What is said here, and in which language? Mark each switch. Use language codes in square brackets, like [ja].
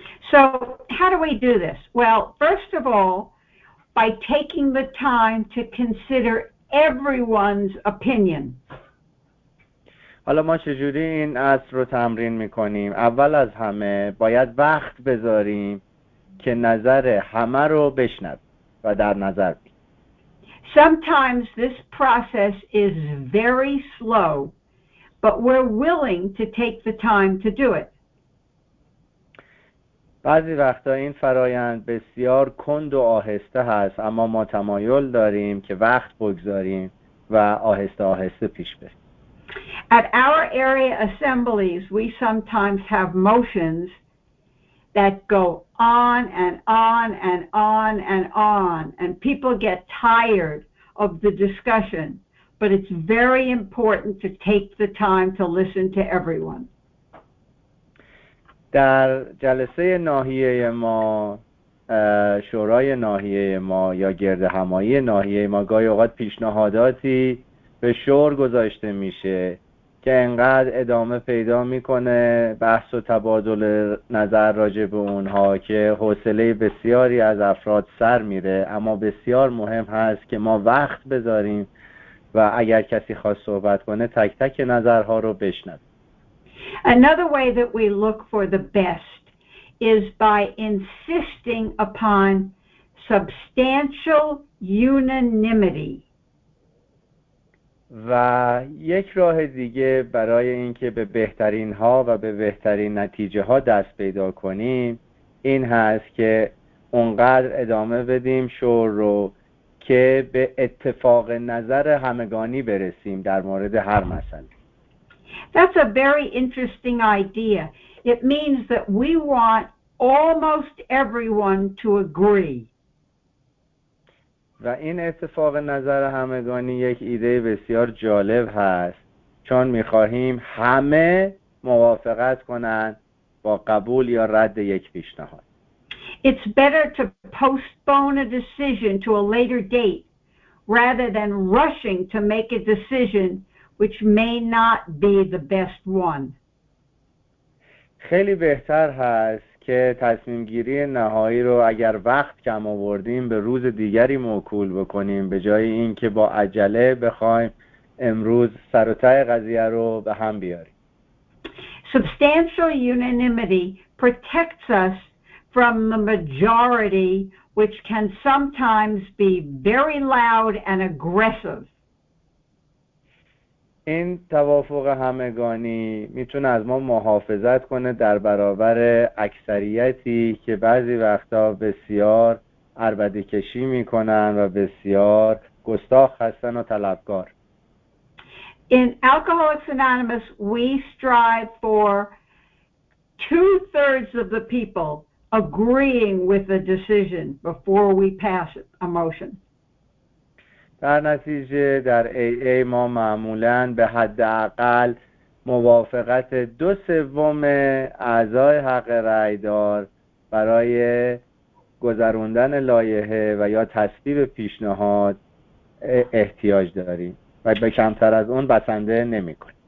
[en] So, how do we do this? Well, first of all, by taking the time to consider everyone's opinion. [fa] حالا ما چجوری این اصل رو تمرین میکنیم؟ اول از همه باید وقت بذاریم که نظر همه رو بشنویم و در نظر بگیریم. [en] Sometimes this process is very slow, but we're willing to take the time to do it. [fa] بعضی وقتا این فرایند بسیار کند و آهسته هست، اما ما تمایل داریم که وقت بگذاریم و آهسته آهسته پیش بریم. [en] At our area assemblies, we sometimes have motions that go on and on and on and on, and people get tired of the discussion, but it's very important to take the time to listen to everyone. [fa] در جلسه ناحیه ما، شورای ناحیه ما یا گرد همایی ناحیه ما گاهی اوقات پیشنهاداتی به شور گذاشته میشه که انقدر ادامه پیدا میکنه بحث و تبادل نظر راجع به اونها که حوصله بسیاری از افراد سر میره، اما بسیار مهم هست که ما وقت بذاریم و اگر کسی خواست صحبت کنه تک تک نظرها رو بشنوه. [en] Another way that we look for the best is by insisting upon substantial unanimity. [fa] و یک راه دیگه برای اینکه به بهترین ها و به بهترین نتیجه ها دست پیدا کنیم این هست که اونقدر ادامه بدیم شور رو که به اتفاق نظر همگانی برسیم در مورد هر مسئله. [en] That's a very interesting idea. It means that we want almost everyone to agree. [fa] و این اتفاق نظر همگانی یک ایده بسیار جالب هست چون می‌خواهیم همه موافقت کنند با قبول یا رد یک پیشنهاد. [en] It's better to postpone a decision to a later date rather than rushing to make a decision which may not be the best one. [fa] خیلی بهتر هست که تصمیم گیری نهایی رو اگر وقت کم آوردیم به روز دیگری موکول بکنیم به جای اینکه با عجله بخوایم امروز سر و ته قضیه رو به هم بیاریم. [en] Substantial unanimity protects us from the majority which can sometimes be very loud and aggressive. [fa] این توافق همگانی میتونه از ما محافظت کنه در برابر اکثریتی که بعضی وقتا بسیار عربده کشی میکنن و بسیار گستاخ هستن و طلبکار. [en] In Alcoholics Anonymous we strive for 2/3 of the people agreeing with the decision before we pass a motion. [fa] در نتیجه در AA ما معمولاً به حداقل موافقت 2/3 اعضای حق رأی دار برای گذروندن لایحه و یا تصویب پیشنهاد احتیاج داریم و به کمتر از اون بسنده نمی کنیم.